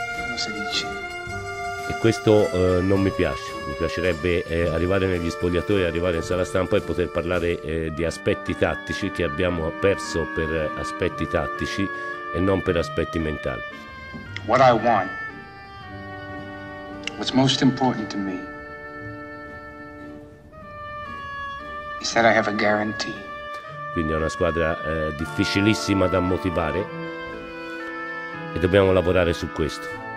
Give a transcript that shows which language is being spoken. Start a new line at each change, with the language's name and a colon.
Italian: Cosa dici? E questo non mi piace. Mi piacerebbe arrivare negli spogliatoi, arrivare in sala stampa e poter parlare di aspetti tattici, che abbiamo perso per aspetti tattici e non per aspetti mentali.
English: What I want, what's most important to me, is that I have a guarantee.
Italian: Quindi è una squadra difficilissima da motivare e dobbiamo lavorare su questo.